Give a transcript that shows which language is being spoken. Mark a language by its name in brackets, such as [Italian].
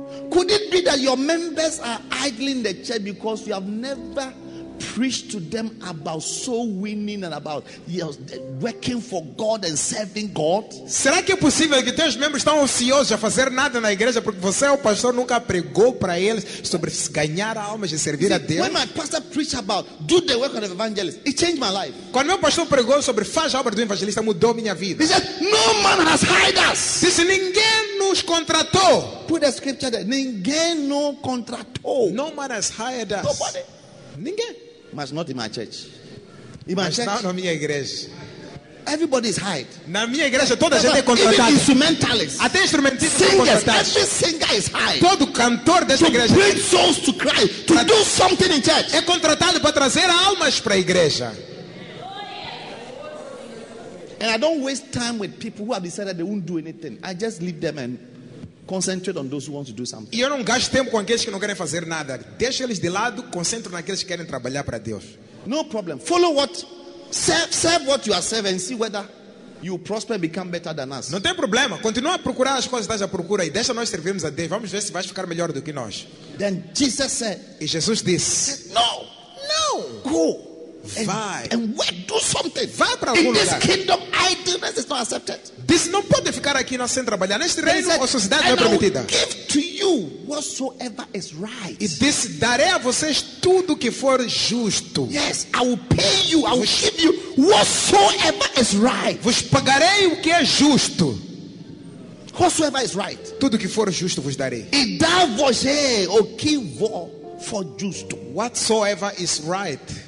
[English] Could it be that your members are idling the church because you have never preached to them about soul winning and about working for God and serving God? [Portuguese] Será que é possível que teus membros estão ociosos a fazer nada na igreja porque você, o pastor, nunca pregou para eles sobre ganhar almas e servir a Deus? [English] When my pastor preached about do the work of the evangelist, it changed my life. [Portuguese] Quando meu pastor pregou sobre faz a obra do evangelista, mudou minha vida. [English] He said, no man has hired us. [Portuguese] Disse, ninguém nos contratou. [English] Put a scripture there. [Portuguese] Ninguém no contratou. [English] No man has hired us. Nobody. [Portuguese] Ninguém. [English] Mas not in my church. [Portuguese] Mas não na minha igreja. [English] Everybody is hired. [Portuguese] Na minha igreja toda a gente é contratada. [English] Even instrumentalists. [Portuguese] Até instrumentistas. [English] Singers. Every singer is hired. [Portuguese] Todo cantor dessa [English] to [Portuguese] igreja. [English] To bring souls to Christ. To do something in church. [Portuguese] É contratado para trazer almas para a igreja. [English] And I don't waste time with people who have decided they won't do anything. I just leave them and concentrate on those who want to do something. [Portuguese] E eu não gasto tempo com aqueles que não querem fazer nada. Deixo eles de lado, concentro naqueles que querem trabalhar para Deus. [English] No problem. Follow what serve what you are serving and see whether you prosper and become better than us. [Portuguese] Não tem problema. Continua a procurar as coisas que estás à procura e deixa nós servirmos a Deus. Vamos ver se vais ficar melhor do que nós. [English] Then Jesus said. [Portuguese] E Jesus disse. [English] No. [Portuguese] No. [English] Go. [Portuguese] Vai. [English] And work. Do something. [Portuguese] Vai para algum [English] in [Portuguese] lugar. [English] In this kingdom, idleness is not accepted. [Portuguese] Diz, não pode ficar aqui não sem trabalhar. Neste reino, [English] said, [Portuguese] a sociedade não é permitida. [English] Give to you whatsoever is right. [Portuguese] E diz, darei a vocês tudo que for justo. [English] Yes, I will pay you, I will give you whatsoever is right. [Portuguese] Vos pagarei o que é justo. [English] Whatsoever is right. [Portuguese] Tudo que for justo vos darei. E dá-vos o que for for justo. [English] Whatsoever is right.